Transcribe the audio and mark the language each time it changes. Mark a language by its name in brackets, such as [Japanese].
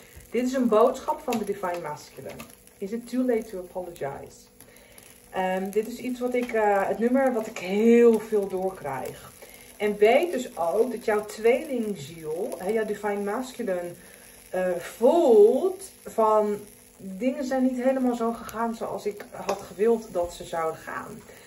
[Dutch] Dit is een boodschap van de Divine Masculine. [English] Is it too late to apologize? [Dutch] Dit is iets wat ik, het nummer wat ik heel veel doorkrijg. En weet dus ook dat jouw tweelingziel, jouw Divine Masculine, voelt van dingen zijn niet helemaal zo gegaan zoals ik had gewild dat ze zouden gaan.